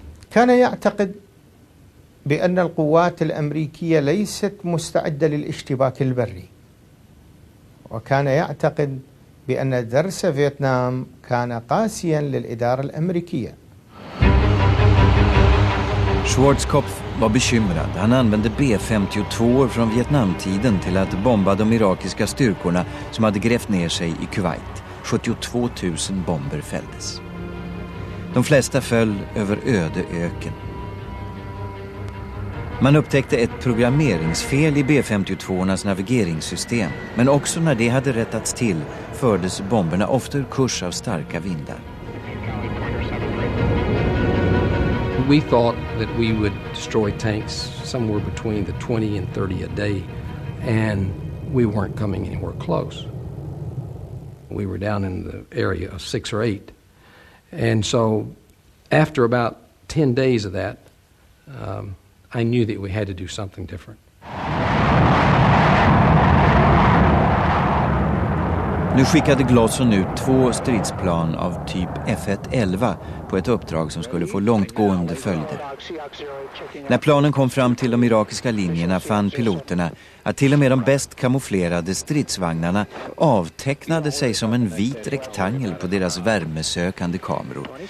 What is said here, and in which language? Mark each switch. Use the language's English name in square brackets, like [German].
[Arabic] كان يعتقد بأن القوات الأمريكية ليست مستعدة للاشتباك البري. وكان يعتقد بأن درس فيتنام كان قاسيا للإدارة الأمريكية. [Swedish] Schwarzkopf var bekymrad. Han använde B-52 från Vietnamtiden till att bomba de irakiska styrkorna som hade grävt ner sig i Kuwait. 72 000 bomber fälldes. De flesta föll över öde öken. Man upptäckte ett programmeringsfel i B-52-ornas navigeringssystem. Men också när det hade rättats till fördes bomberna ofta ur kurs av starka vindar. [English] We thought that we would destroy tanks somewhere between the 20 and 30 a day, and we weren't coming anywhere close. We were down in the area of 6 or 8. And so after about 10 days of that, I knew that we had to do something different. [Swedish] Nu skickade Glosson ut två stridsplan av typ F1-11 på ett uppdrag som skulle få långtgående följder. När planen kom fram till de irakiska linjerna fann piloterna att till och med de bäst kamouflerade stridsvagnarna avtecknade sig som en vit rektangel på deras värmesökande kameror.